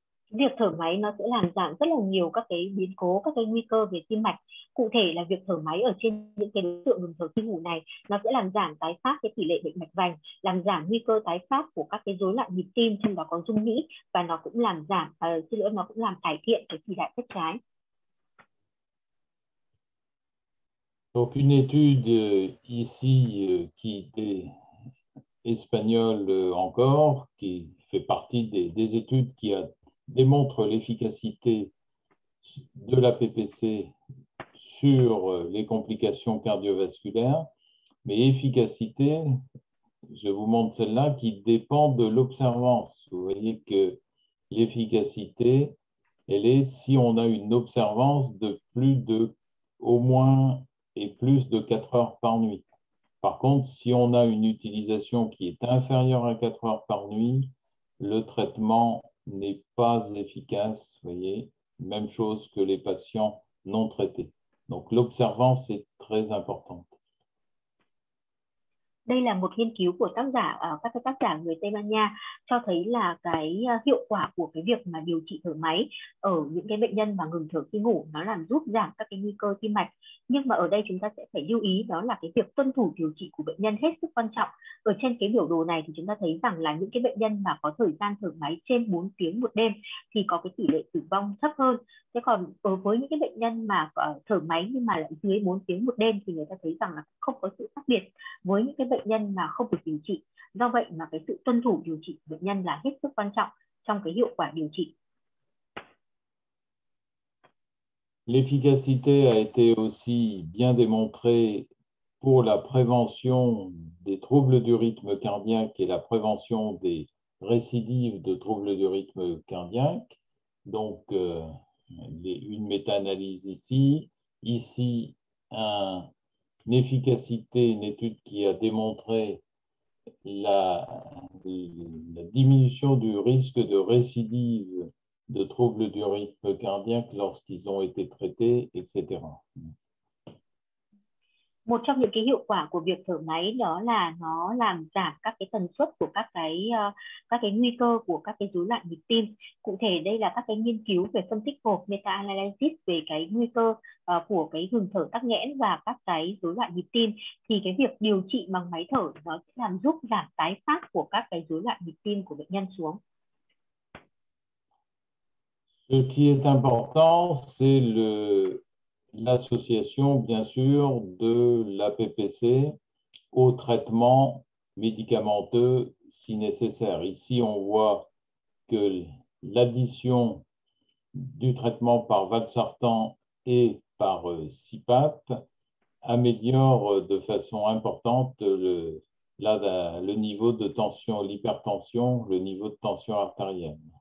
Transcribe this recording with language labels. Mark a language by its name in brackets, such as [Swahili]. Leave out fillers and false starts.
[Vietnamese] Việc thở máy nó sẽ làm giảm rất là nhiều các cái biến cố, các cái nguy cơ về tim mạch. Cụ thể là việc thở máy ở trên những cái đối tượng ngừng thở khi ngủ này, nó sẽ làm giảm tái phát cái tỷ lệ bệnh mạch vành, làm giảm nguy cơ tái phát của các cái rối loạn nhịp tim, trong đó có rung nhĩ, và nó cũng làm giảm, xin lỗi, nó cũng làm cải thiện cái tỷ lệ chết trái. [French] Donc une étude ici qui était espagnole encore, qui fait partie des études qui démontre l'efficacité de la PPC sur les complications cardiovasculaires, mais efficacité, je vous montre celle-là, qui dépend de l'observance. Vous voyez que l'efficacité, elle est si on a une observance de plus de au moins et plus de 4 heures par nuit. Par contre, si on a une utilisation qui est inférieure à 4 heures par nuit, le traitement n'est pas efficace, voyez, même chose que les patients non traités. Donc l'observance est très importante. [Vietnamese] Đây là một nghiên cứu của tác giả, các tác giả người Tây Ban Nha cho thấy là cái hiệu quả của cái việc mà điều trị thở máy ở những cái bệnh nhân mà ngừng thở khi ngủ, nó làm giúp giảm các cái nguy cơ tim mạch. Nhưng mà ở đây chúng ta sẽ phải lưu ý đó là cái việc tuân thủ điều trị của bệnh nhân hết sức quan trọng. Ở trên cái biểu đồ này thì chúng ta thấy rằng là những cái bệnh nhân mà có thời gian thở máy trên 4 tiếng một đêm thì có cái tỷ lệ tử vong thấp hơn. Thế còn với những cái bệnh nhân mà thở máy nhưng mà lại dưới 4 tiếng một đêm thì người ta thấy rằng là không có sự khác biệt với những cái bệnh nhân mà không được điều trị. Do vậy mà cái sự tuân thủ điều trị của bệnh nhân là hết sức quan trọng trong cái hiệu quả điều trị. [French] L'efficacité a été aussi bien démontrée pour la prévention des troubles du rythme cardiaque et la prévention des récidives de troubles du rythme cardiaque. Donc, une méta-analyse ici. Ici, une efficacité, une étude qui a démontré la diminution du risque de récidive de troubles du rythme cardiaque lorsqu'ils ont été traités, etc. [Vietnamese] Một trong những cái hiệu quả của việc thở máy đó là nó làm giảm các cái tần suất của các cái nguy cơ của các cái rối loạn nhịp tim. Cụ thể đây là các cái nghiên cứu về phân tích hộp meta analysis về cái nguy cơ của cái ngừng thở tắc nghẽn và các cái rối loạn nhịp tim, thì cái việc điều trị bằng máy thở nó sẽ làm giúp giảm tái phát của các cái rối loạn nhịp tim của bệnh nhân xuống. [French] Ce qui est important, c'est l'association, bien sûr, de la PPC au traitement médicamenteux si nécessaire. Ici, on voit que l'addition du traitement par valsartan et par CPAP améliore de façon importante le niveau de tension, l'hypertension, le niveau de tension artérielle.